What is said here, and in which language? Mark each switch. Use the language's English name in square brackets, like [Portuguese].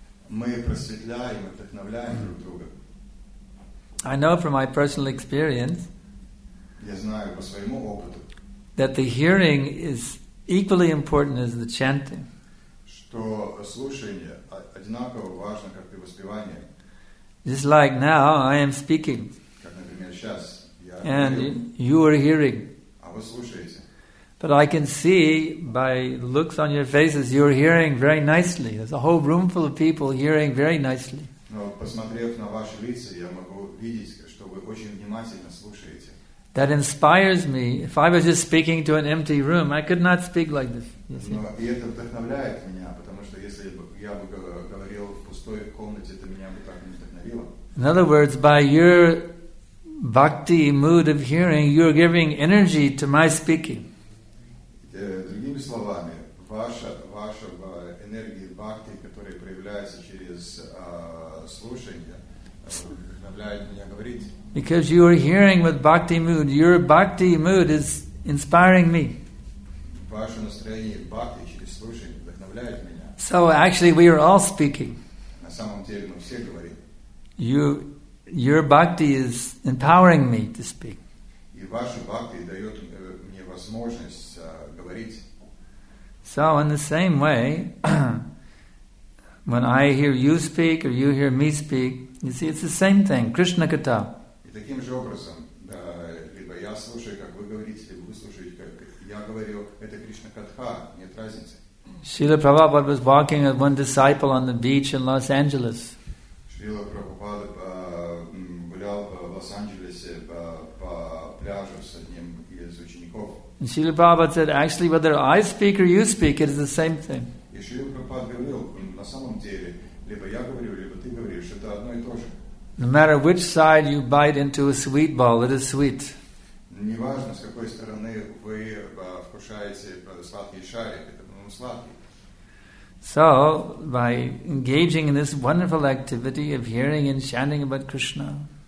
[Russian] Мы просветляем, вдохновляем друг друга. [English] I know from my personal experience. [Russian] Я знаю по своему опыту. [English] That the hearing is equally important as the chanting. [Russian] Что слушание одинаково важно, как и воспевание. [English] Just like now, I am speaking. [Russian] Как, например, сейчас я [English] and [Russian] говорю, [English] you are hearing. [Russian] А вы слушаете. [English] But I can see by looks on your faces, you are hearing very nicely. There's a whole room full of people hearing very nicely. [Russian] Но посмотрев на ваши лица, я могу видеть, что вы очень внимательно слушаете. [English] That inspires me. If I was just speaking to an empty room, I could not speak like this. [Russian] И это вдохновляет меня, потому что если бы я бы говорил в пустой комнате, это меня бы так не вдохновило. [English] In other words, by your bhakti mood of hearing, you are giving energy to my speaking. [Russian] Другими словами, ваша энергия бхакти, которая проявляется через слушание, вдохновляет меня говорить. [English] Because you are hearing with bhakti mood, your bhakti mood is inspiring me. [Russian] Ваше настроение бхакти через слушание вдохновляет меня. [English] So actually we are all speaking. [Russian] На самом деле мы все говорим. [English] Your bhakti is empowering me to speak. [Russian] И ваше бхакти дает мне возможность говорить. [English] So in the same way, when I hear you speak or you hear me speak, you see it's the same thing, Krishna Katha. [Russian] И таким же образом, да, либо я слушаю, как вы говорите, либо вы слушаете, как я говорю, это Кришна Катха, нет разницы. [English] Шрила Прабхупада was walking with one disciple on the beach in Los Angeles. [Russian] Шрила Прабхупада гулял в Лос-Анджелесе по пляжу с одним из учеников. [English] And Шрила Прабхупада said, actually, whether I speak or you speak, it is the same thing. [Russian] И Шрила Прабхупада говорил, на самом деле, либо я говорю, либо ты говоришь, это одно и то же. [English] No matter which side you bite into a sweet ball, it is sweet. [Russian] Неважно, с какой стороны вы вкушаете сладкий шарик, это будет сладкий. [English] So, by engaging in this wonderful activity of hearing and chanting about Krishna,